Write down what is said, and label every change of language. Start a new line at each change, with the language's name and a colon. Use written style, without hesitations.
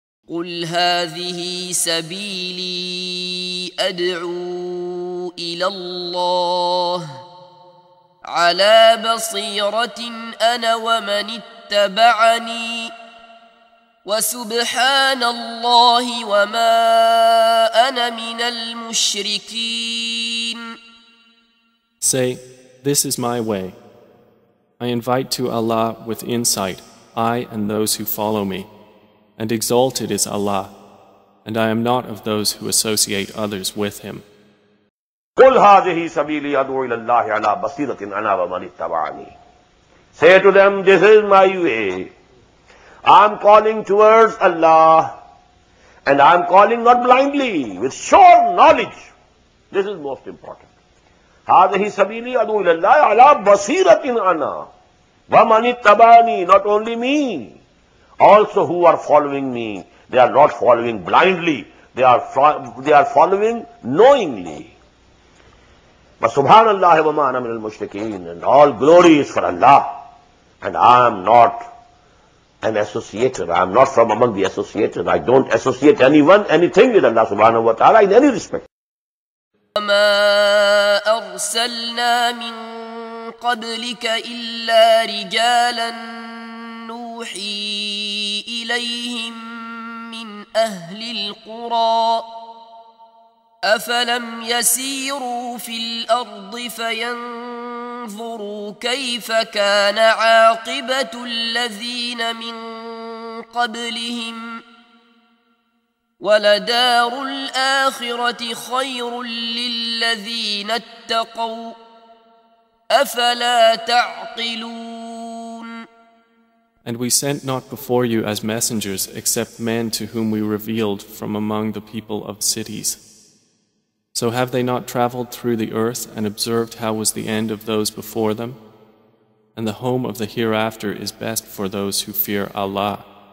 Arabic: قُلْ هَذِهِ سَبِيلِي أَدْعُو إِلَى اللَّهِ على بصيرة أنا ومن اتبعني وسبحان الله وما أنا من المشركين.
English: Say, this is my way. I invite to Allah with insight, I and those who follow me. And exalted is Allah, and I am not of those who associate others with Him.
Arabic: قُلْ هَذِهِ سَبِيلِي أَدْعُوا إِلَى اللَّهِ عَلَىٰ بَصِيرَةٍ أَنَا وَمَنِ اتَّبَعَنِي.
English: Say to them, this is my way. I'm calling towards Allah, and I'm calling not blindly, with sure knowledge. This is most important.
Arabic: هذه سبيلي ادعو الى الله على بصيره انا ومن اتبعني
English: not only me also who are following me they are not following blindly they are following knowingly but
Arabic: subhanallah wa ma ana min al mushrikeen
English: and all glory is for allah and I am not an associated I am not from among the associated I don't associate anyone anything with allah subhanahu wa ta'ala in any respect
Arabic: ما ارسلنا من قبلك الا رجالا نوحي اليهم من اهل القرى افلم يسيروا في الارض فينظروا كيف كان عاقبه الذين من قبلهم ولدار الآخرة خير للذين اتقوا أفلا تعقلون
English: And we sent not before you as messengers except men to whom we revealed from among the people of cities. So have they not traveled through the earth and observed how was the end of those before them? And the home of the hereafter is best for those who fear Allah.